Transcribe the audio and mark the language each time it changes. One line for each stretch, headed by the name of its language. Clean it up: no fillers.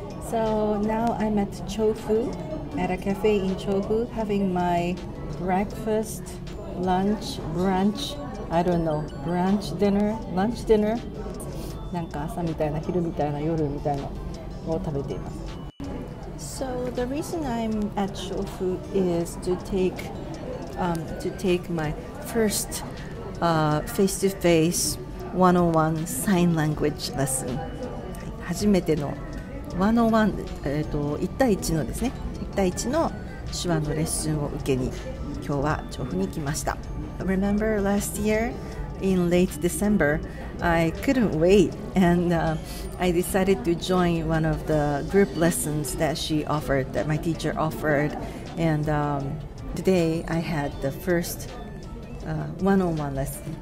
English: So now I'm at Chofu, at a cafe in Chofu, having my breakfast, lunch, brunch, I don't know, brunch dinner, lunch dinner.
Japanese: なんか朝みたいな、昼みたいな、夜みたいなを食べています。
English: So the reason I'm at Chofu is to take my first face-to-face 101 sign language lesson.
Japanese: 初めての101、1対1のですね、1対1の手話のレッスンを受けに今日は調布に来ました。
English: Remember last year in late December, I couldn't wait and、I decided to join one of the group lessons that she offered, that my teacher offered, and、today I had the first one-on-one lesson.